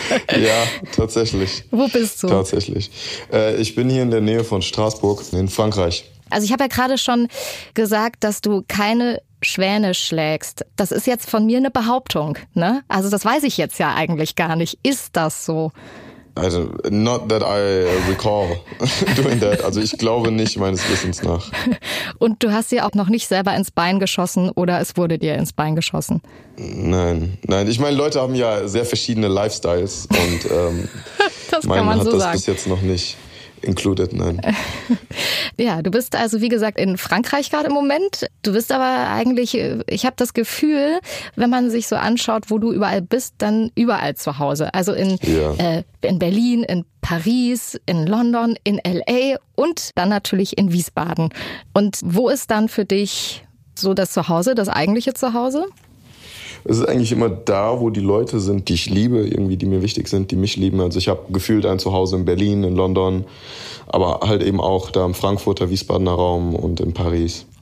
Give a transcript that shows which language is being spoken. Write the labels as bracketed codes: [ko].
[de] Ja, tatsächlich. Wo bist du? Tatsächlich. Ich bin hier in der Nähe von Straßburg in Frankreich. Also ich habe ja gerade schon gesagt, dass du keine Schwäne schlägst. Das ist jetzt von mir eine Behauptung, ne? Also das weiß ich jetzt ja eigentlich gar nicht. Ist das so? [en] Also, not that I recall doing that. [de] Also ich glaube nicht meines Wissens nach. Und du hast dir auch noch nicht selber ins Bein geschossen oder es wurde dir ins Bein geschossen? Nein, nein. Ich meine, Leute haben ja sehr verschiedene Lifestyles und das kann man so sagen. Bis jetzt noch nicht included, nein. Ja, du bist also wie gesagt in Frankreich gerade im Moment. Du bist aber eigentlich, ich habe das Gefühl, wenn man sich so anschaut, wo du überall bist, dann überall zu Hause. Also in Berlin, in Paris, in London, in L.A. und dann natürlich in Wiesbaden. Und wo ist dann für dich so das Zuhause, das eigentliche Zuhause? Es ist eigentlich immer da, wo die Leute sind, die ich liebe, irgendwie, die mir wichtig sind, die mich lieben. Also ich habe gefühlt ein Zuhause in Berlin, in London, aber halt eben auch da im Frankfurter, Wiesbadener Raum und in Paris.